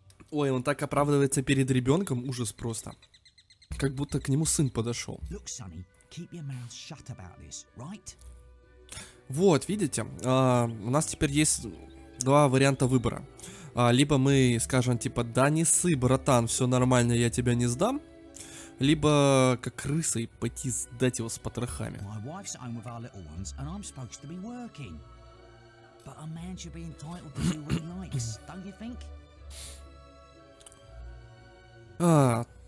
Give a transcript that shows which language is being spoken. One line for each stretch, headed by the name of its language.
Russian: Ой, он так оправдывается перед ребенком. Ужас просто. Как будто к нему сын подошел.
English: Look, sonny, keep your mouth shut about this, right?
Russian: Вот, видите, у нас теперь есть два варианта выбора. Либо мы скажем, типа, да не ссы, братан, все нормально, я тебя не сдам. Либо как крыса и пойти сдать его с потрохами.
English: My wife's home with our little ones, and I'm supposed to be working. But a man should be entitled to do what he likes, don't you think?